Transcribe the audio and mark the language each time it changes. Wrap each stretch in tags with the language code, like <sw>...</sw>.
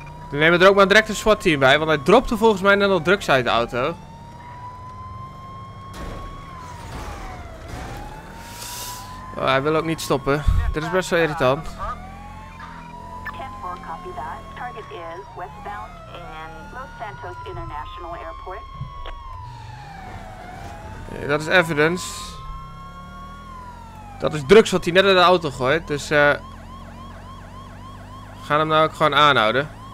<nl>We nemen er ook maar direct een SWAT team bij, want hij dropte volgens mij net al drugs uit de auto. Oh, hij wil ook niet stoppen. Dit is best wel irritant.</nl> <en>10-4, copy that. Target is westbound in Los Santos International Airport.</en> <nl>Dat is evidence. Dat is drugs wat hij net in de auto gooit. Dus we gaan hem nou ook gewoon aanhouden.</nl>